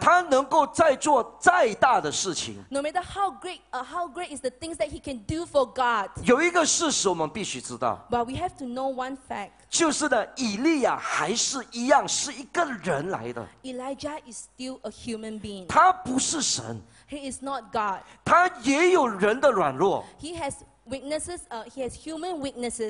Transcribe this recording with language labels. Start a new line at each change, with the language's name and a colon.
Chinese: 他能够再做再大的事情。
English: No matter how great is the things that he can do for God.
Chinese: 有一个事实我们必须知道。
English: But we have to know one fact.
Chinese: 就是呢，以利亚还是一样是一个人来的。
English: Elijah is still a human being.
Chinese: 他不是神。
English: He is not God.
Chinese: 他也有人的软弱。
English: He has weaknesses. He has human weaknesses.